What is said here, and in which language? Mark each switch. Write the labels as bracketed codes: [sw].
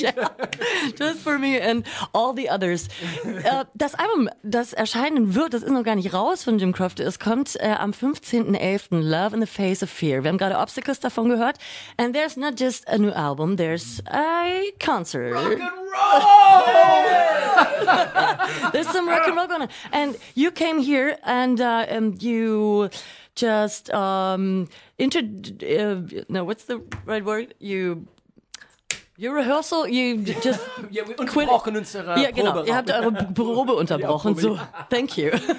[en] Yeah, just for me and all the others. [de] Das Album, das erscheinen wird, das ist noch gar nicht raus von Jim Croft. Es kommt am 15.11. Love in the Face of Fear. Wir haben gerade Obstacles davon gehört. [en] And there's not just a new album, there's a concert. Rock and roll! There's some rock and roll going on. And you came here and you just [de] eure Probe unterbrochen. [en] So thank you.